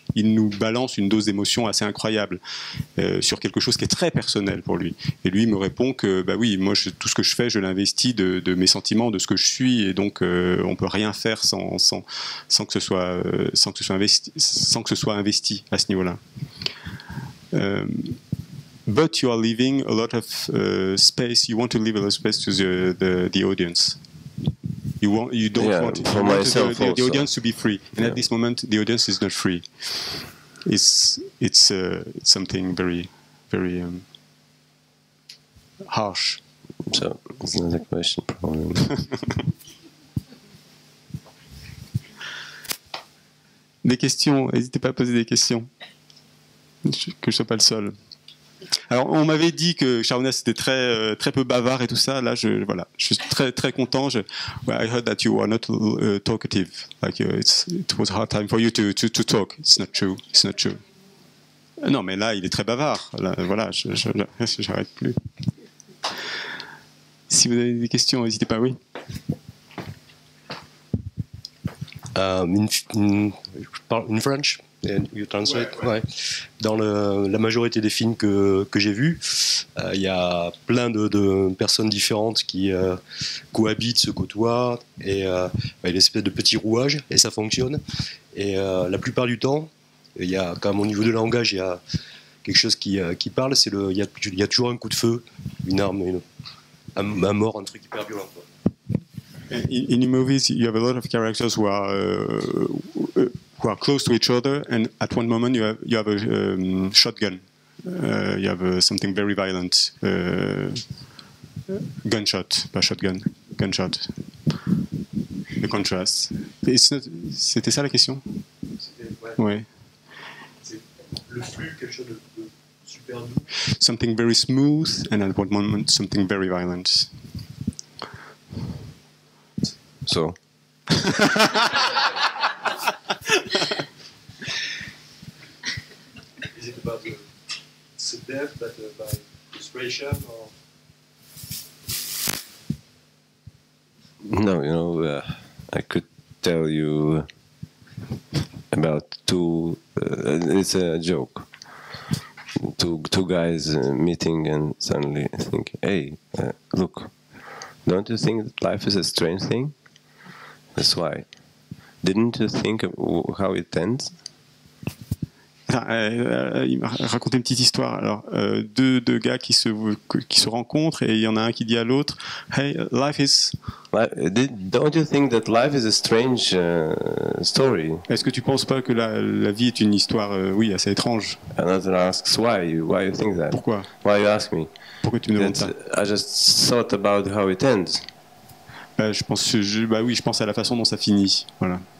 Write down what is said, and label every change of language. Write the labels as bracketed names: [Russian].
[French] il nous balance une dose d'émotion assez incroyable sur quelque chose qui est très personnel pour lui. Et lui me répond que, bah oui, moi, tout ce que je fais, je l'investis de mes sentiments, de ce que je suis, et donc on ne peut rien faire sans que ce soit investi à ce niveau-là. [English] But you are leaving a lot of space. You want to leave a lot of space to the audience. You want the audience to be free. And at this moment, the audience is not free. It's something very, very harsh. So, it's another question, probably. [French] Des questions. N'hésitez pas à poser des questions. Que je sois pas le seul. Alors, on m'avait dit que Sharunas était très très peu bavard et tout ça. Là, je suis très très content. [English] I heard that you are not talkative. Like it was a hard time for you to talk. It's not true. It's not true. [French] Non, mais là, il est très bavard. Là, voilà, je j'arrête plus. Si vous avez des questions, n'hésitez pas. Oui. [English] In French. You translate, ouais. [French] Dans la majorité des films que j'ai vus, il y a plein de personnes différentes qui cohabitent, se côtoient, et il y a une espèce de petit rouage, et ça fonctionne. Et la plupart du temps, il y a quand même au niveau du langage, il y a quelque chose qui parle, c'est il y a toujours un coup de feu, une arme, un mort, un truc hyper violent. Quoi. [English] In the movies, you have a lot of characters who are who are close to each other, and at one moment you have a shotgun, you have something very violent, gunshot, pas shotgun, gunshot. The contrast. [French] C'était ça la question? Ouais. C'est le flux, quelque chose de super doux. [English] Something very smooth, and at one moment something very violent. So. Is it about the death, but by frustration, or no? You know, I could tell you about two. It's a joke. Two guys meeting and suddenly think, "Hey, look, don't you think that life is a strange thing? That's why." Didn't you think of how it ends? [French] Il m'a raconté une petite histoire. Alors, deux gars qui se rencontrent et il y en a un qui dit à l'autre, [English] "Hey, life is." Don't you think that life is a strange story? [French] Est-ce que tu penses pas que la vie est une histoire, oui, assez étrange? [English] Another asks why you think that? [French] Pourquoi? [English] Why you ask me? [French] Pourquoi tu me demandes ça? [English] I just thought about how it ends. [French] Je pense à la façon dont ça finit, voilà.